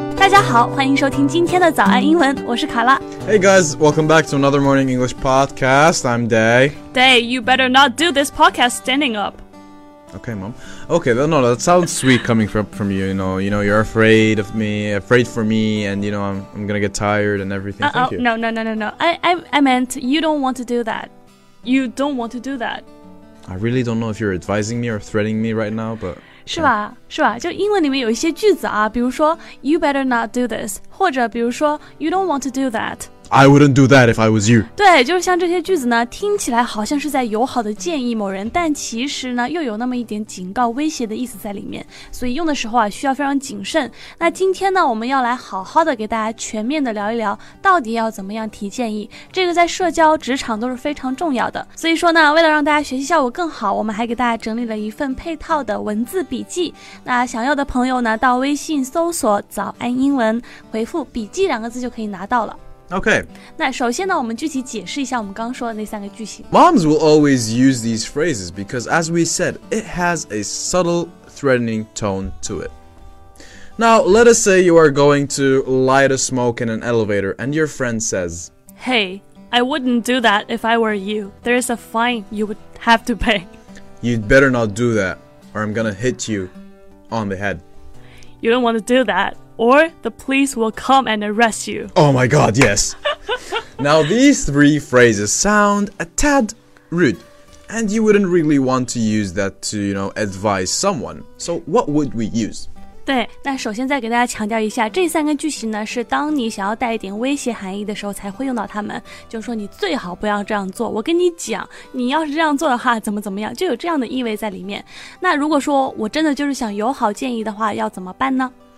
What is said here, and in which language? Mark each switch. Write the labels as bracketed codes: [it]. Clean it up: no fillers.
[zh] 家好，欢迎收听今天的早安英文，我是卡拉。 [en] Hey guys, welcome back to another morning English podcast. I'm Day. Day, you better not do this podcast standing up. Okay, mom. Okay, no, that sounds sweet coming from you. You know, you're afraid of me, afraid for me, and you know, I'm gonna get tired and everything. No. I meant you don't want to do that. You don't want to do that. I really don't know if you're advising me or threatening me right now, but... [zh] 是吧是吧就英文里面有一些句子啊比如说 [en] You better not do this [zh] 或者比如说 [en] You don't want to do that I wouldn't do that if I was you [zh] 对就是像这些句子呢听起来好像是在友好的建议某人但其实呢又有那么一点警告威胁的意思在里面所以用的时候啊需要非常谨慎那今天呢我们要来好好的给大家全面的聊一聊到底要怎么样提建议这个在社交职场都是非常重要的所以说呢为了让大家学习效果更好我们还给大家整理了一份配套的文字笔记那想要的朋友呢到微信搜索早安英文回复笔记两个字就可以拿到了 [en] OK. [zh] 那首先呢我们具体解释一下我们刚刚说的那三个句型。 [en] Moms will always use these phrases because as we said, it has a subtle threatening tone to it. Now, let us say you are going to light a smoke in an elevator and your friend says, Hey, I wouldn't do that if I were you. There is a fine you would have to pay. You'd better not do that or I'm gonna hit you on the head. You don't want to do that. Or the police will come and arrest you. Oh my god, yes. Now these three phrases sound a tad rude. And you wouldn't really want to use that to, you know, advise someone. So what would we use? [zh] 对那首先再给大家强调一下这三个句型呢是当你想要带一点威胁含义的时候才会用到它们就是说你最好不要这样做我跟你讲你要是这样做的话怎么怎么样就有这样的意味在里面那如果说我真的就是想友好建议的话要怎么办呢